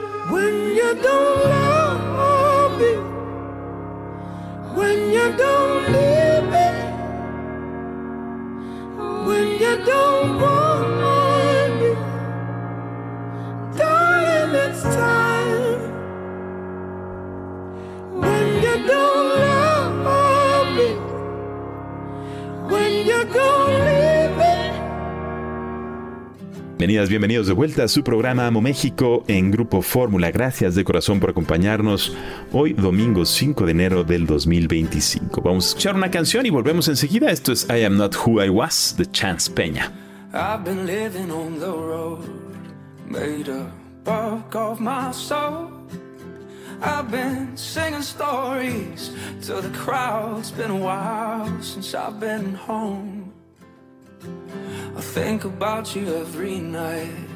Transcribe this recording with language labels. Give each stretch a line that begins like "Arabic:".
English: When you don't love me, when you don't need me, when you don't want me, darling, it's time. When you don't love me, when you don't need me,
Spanish: Bienvenidas, bienvenidos de vuelta a su programa Amo México en Grupo Fórmula. Gracias de corazón por acompañarnos hoy domingo 5 de enero del 2025. Vamos a escuchar una canción y volvemos enseguida. Esto es I Am Not Who I Was de Chance Peña.
English: I've been living on the road, made a buck of my soul. I've been singing stories to the crowd. It's been a while since I've been home. I think about you every night.